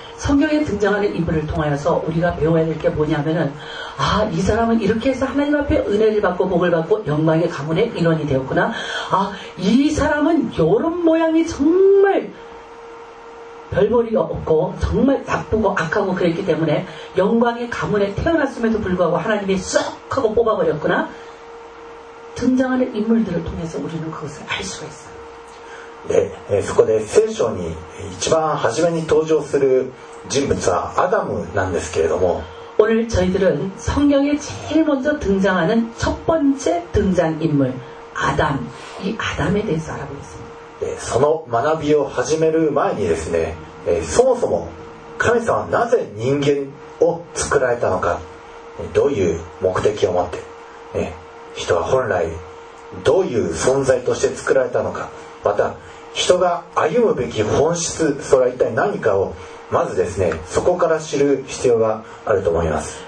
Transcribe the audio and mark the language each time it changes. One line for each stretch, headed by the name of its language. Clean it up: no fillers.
Korean: 성경에등장하는인물을통하여서우리가배워야될게뭐냐면은아이사람은이렇게해서하나님앞에은혜를받고복을받고영광의가문의인원이되었구나아이사람은요런모양이정말별볼이없고정말나쁘고악하고그랬기때문에영광의가문에태어났음에도불구하고하나님이쏙하고뽑아버렸구나등장하는인물들을통해서우리는그것을알수가있어요
Japanese: でそこで聖書に一番初めに登場する人物はアダムなんですけれども、
Korean: 오늘저희들은성경에제일먼저등장하는첫번째등장인물아담이아담에대해서알아보겠습니다
Japanese: でその学びを始める前にですね、そもそも神様はなぜ人間を作られたのか、どういう目的を持って、人は本来どういう存在として作られたのか、また人が歩むべき本質、それは一体何かをまずですね、そこから知る必要があると思います。